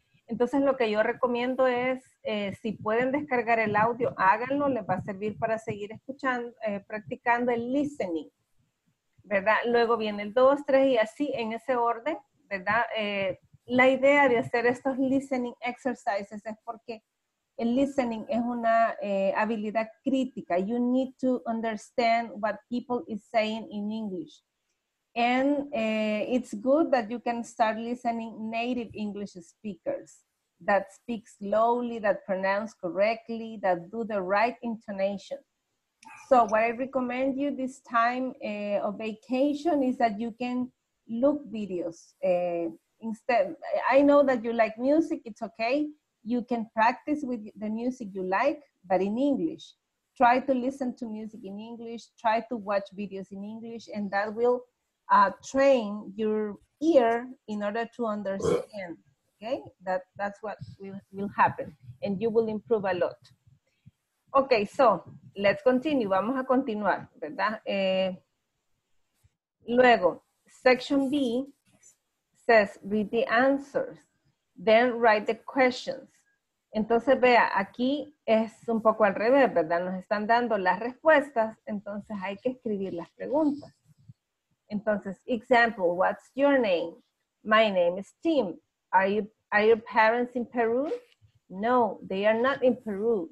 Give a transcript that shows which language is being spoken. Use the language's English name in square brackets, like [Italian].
[Spanish] Entonces, lo que yo recomiendo es, si pueden descargar el audio, háganlo, les va a servir para seguir escuchando, practicando el listening, ¿verdad? Luego viene el 2, 3 y así, en ese orden, ¿verdad? La idea de hacer estos listening exercises es porque el listening es una habilidad crítica. [English] You need to understand what people is saying in English. And it's good that you can start listening native English speakers that speak slowly, that pronounce correctly, that do the right intonation. So what I recommend you this time of vacation is that you can look videos. Instead, I know that you like music, it's okay. You can practice with the music you like, but in English. Try to listen to music in English, try to watch videos in English, and that will train your ear in order to understand, okay? That's what will happen, and you will improve a lot. Okay, so let's continue. [Spanish] Vamos a continuar, ¿verdad? [English] Luego, section B says, read the answers, then write the questions. [Spanish] Entonces, vea, aquí es un poco al revés, ¿verdad? Nos están dando las respuestas, entonces hay que escribir las preguntas. [English] Entonces, example, what's your name? My name is Tim. Are your parents in Peru? No, they are not in Peru.